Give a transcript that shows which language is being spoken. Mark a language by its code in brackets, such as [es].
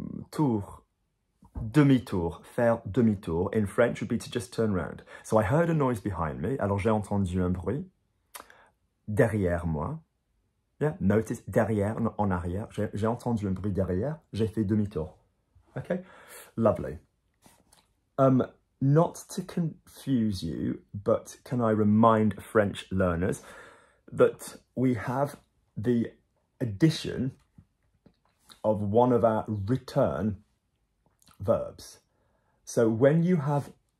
[en] Tour, demi-tour, faire demi-tour in French would be to just turn round. So I heard a noise behind me. [fr] Alors j'ai entendu un bruit. Derrière moi. [en] Yeah, notice derrière, not en arrière. [fr] J'ai entendu un bruit derrière. J'ai fait demi-tour. [en] Okay, lovely. Not to confuse you, but can I remind French learners that we have the addition of one of our return verbs. So when you have